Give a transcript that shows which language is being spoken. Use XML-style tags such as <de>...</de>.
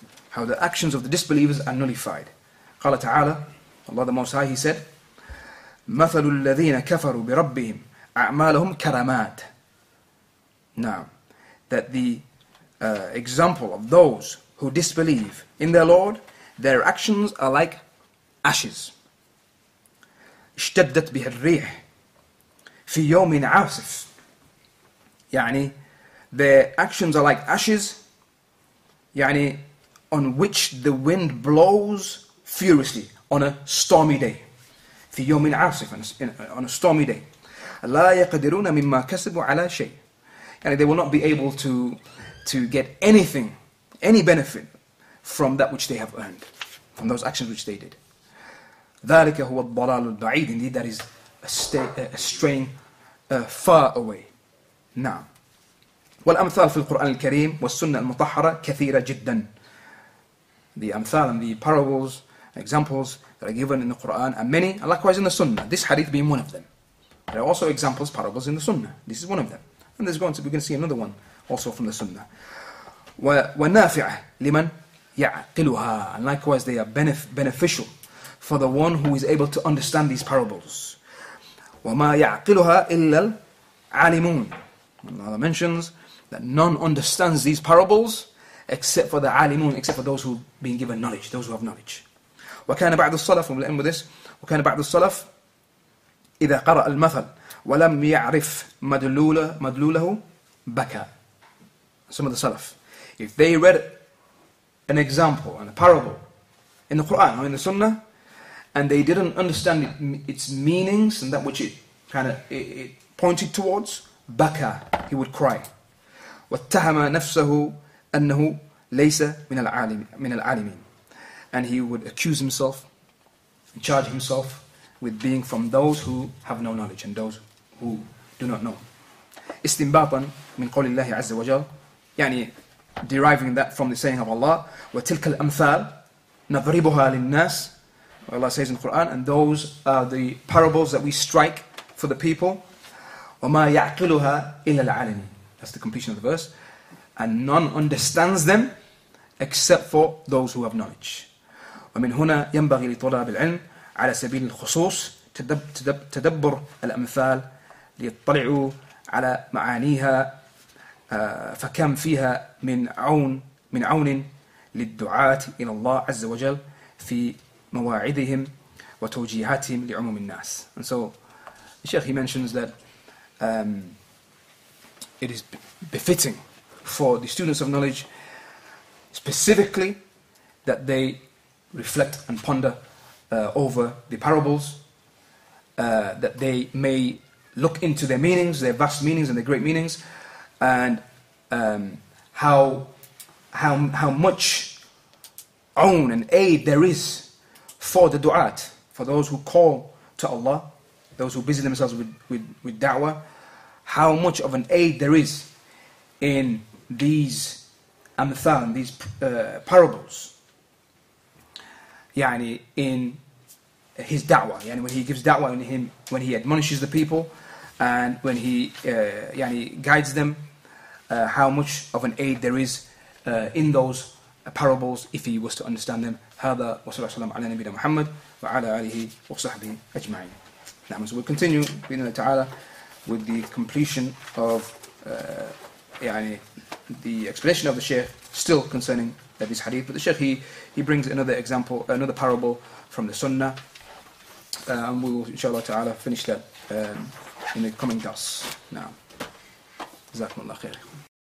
<en>How the actions of the disbelievers are nullified. Qala ta'ala, Allah the Most High, He said,</en> <ar>مَثَلُ الَّذِينَ كَفَرُوا بِرَبِّهِمْ أَعْمَالَهُمْ كَرَمَاتٍ.</ar> <en>Now, that the example of those who disbelieve in their Lord, their actions are like ashes.</en> <ar>اشتدت بها الريح في يوم عاصف.</ar> <en>يعني their actions are like ashes, يعني on which the wind blows furiously on a stormy day.</en> <ar>في يوم عاصف,</ar> <en>on a stormy day.</en> <ar>لا يقدرون مما كسبوا على شيء.</ar> <en>يعني they will not be able to get anything, any benefit from that which they have earned, from those actions which they did.</en> <ar>ذلك هو الضلال البعيد.</ar> <en>Indeed, that is a straying far away.</en> <ar>نعم. والأمثال في القرآن الكريم والسنة المطهرة كثيرة جدا.</ar> <en>The amthal and the parables, examples that are given in the Quran are many, and likewise in the Sunnah. This hadith being one of them. There are also examples, parables in the Sunnah. This is one of them. And there's going to be, we're going to see another one also from the Sunnah.</en> <ar>ونافع لمن يعقلها.</ar> <en>And likewise, they are beneficial for the one who is able to understand these parables.</en> <ar>وما يعقلها إلا العالمون.</ar> <en>Allah mentions that none understands these parables except for the عالمون, except for those who have been given knowledge, those who have knowledge.</en> <ar>وكان بعض الصلف,</ar> <en>and we'll end with this,</en> <ar>وكان بعض الصلف إذا قرأ المثل ولم يعرف مدلوله بكى.</ar> <en>Some of the salaf, if they read an example and a parable in the Quran or in the Sunnah, and they didn't understand its meanings and that which it pointed towards, بكى, he would cry.</en> <ar>واتهم نفسه أنه ليس من العالمين.</ar> <en>And he would accuse himself and charge himself with being from those who have no knowledge and those who do not know.</en> <ar>استنباطا من قول الله عز وجل, يعني</ar> <en>deriving that from the saying of Allah,</en> <ar>وتلك الأمثال نضربها للناس.</ar> <en>Allah says in the Quran, and those are the parables that we strike for the people.</en> <ar>وما يعقلها إلا العالمين.</ar> <en>That's the completion of the verse. And none understands them except for those who have knowledge.</en> <ar>ومن هنا ينبغي لطلاب العلم على سبيل الخصوص تدبر الأمثال ليطلعوا على معانيها فكم فيها من عون للدعاة إلى الله عز وجل في مواعدهم وتوجيهاتهم لعموم الناس.</ar> <en>And so the Sheikh, he mentions that it is befitting for the students of knowledge specifically that they reflect and ponder over the parables, that they may look into their meanings, their vast meanings and their great meanings, and how much own and aid there is for the du'at, for those who call to Allah, those who busy themselves with da'wah, how much of an aid there is in these amthal, these parables, يعني in his da'wah, يعني when he gives da'wah in him, when he admonishes the people, and when he يعني guides them, how much of an aid there is in those parables if he was to understand them.</en> <ar>هذا وصلى الله عليه وسلم على نبينا محمد وعلى آله وصحبه أجمعين.</ar> <en>نعم, so we'll continue</en> <ar>بإذن الله تعالى</ar> <en>with the completion of يعني the explanation of the Shaykh still concerning this hadith. But the Shaykh, he brings another example, another parable from the Sunnah, and we will inshallah ta'ala finish that in the coming dars. Now, Jazakumullah khair.</en>